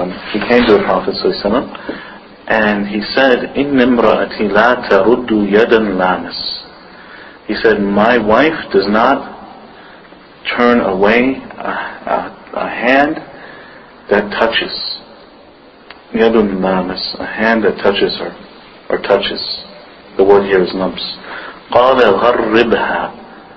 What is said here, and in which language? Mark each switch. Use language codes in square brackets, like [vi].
[en] He came to the Prophet sallallahu alaihi wasallam. [ar] And he said, إِنَّ امْرَأَتِي لَا تَرُدُّ يَدًا لَامِسْ. [en] He said, my wife does not turn away a hand that touches. [ar] يَدٌ لَامِسْ, [en] a hand that touches her, or touches. The word here is lumps. [ar] قَالَ غَرِّبْهَا.